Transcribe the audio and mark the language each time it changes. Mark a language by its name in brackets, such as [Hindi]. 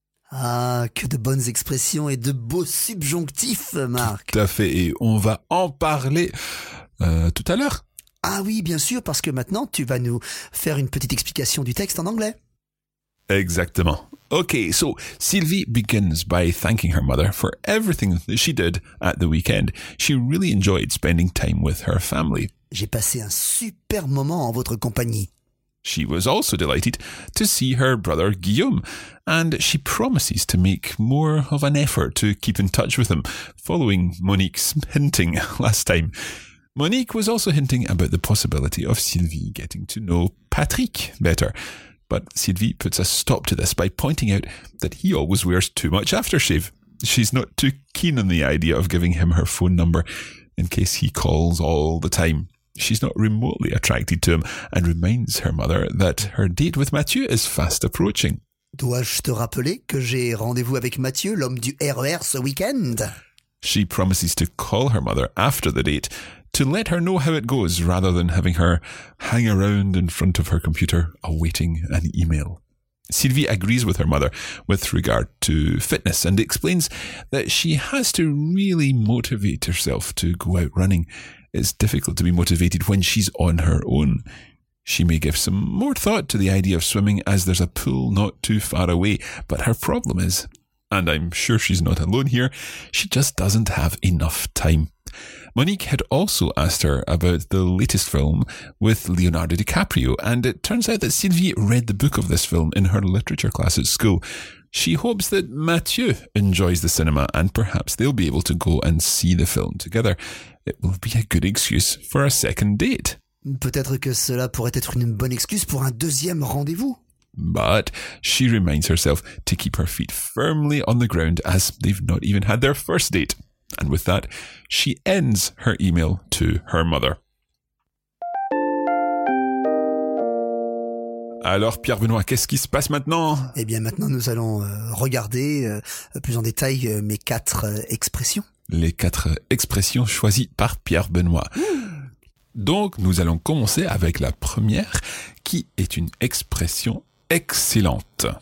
[French] Ah, que de bonnes expressions et de beaux subjonctifs, Marc. Tout à fait, et on va en parler tout à l'heure. Ah oui, bien sûr, parce que maintenant, tu vas nous faire une petite explication du texte en anglais. Exactement. [English] Okay, so Sylvie begins by thanking her mother for everything that she did at the weekend. She really enjoyed spending time with her family. [French] J'ai passé un super moment en votre compagnie. [English] She was also delighted to see her brother Guillaume, and she promises to make more of an effort to keep in touch with him, following Monique's hinting last time. Monique was also hinting about the possibility of Sylvie getting to know Patrick better, but Sylvie puts a stop to this by pointing out that he always wears too much aftershave. She's not too keen on the idea of giving him her phone number in case he calls all the time. She's not remotely attracted to him and reminds her mother that her date with Mathieu is fast approaching. [French] Dois-je te rappeler que j'ai rendez-vous avec Mathieu, l'homme du RER, ce week-end? [English] She promises to call her mother after the date to let her know how it goes rather than having her hang around in front of her computer awaiting an email. Sylvie agrees with her mother with regard to fitness and explains that she has to really motivate herself to go out running. It's difficult to be motivated when she's on her own. She may give some more thought to the idea of swimming as there's a pool not too far away, but her problem is, and I'm sure she's not alone here, she just doesn't have enough time. Monique had also asked her about the latest film with Leonardo DiCaprio, and it turns out that Sylvie read the book of this film in her literature class at school. She hopes that Mathieu enjoys the cinema and perhaps they'll be able to go and see the film together. It will be a good excuse for a second date. [French] Peut-être que cela pourrait être une bonne excuse pour un deuxième rendez-vous. [English] But she reminds herself to keep her feet firmly on the ground as they've not even had their first date. And with that, she ends her email to her mother. [French] Alors Pierre-Benoît, qu'est-ce qui se passe maintenant? Eh bien maintenant nous allons regarder plus en détail mes quatre expressions. Les quatre expressions choisies par Pierre-Benoît. Donc nous allons commencer avec la première qui est une expression excellente.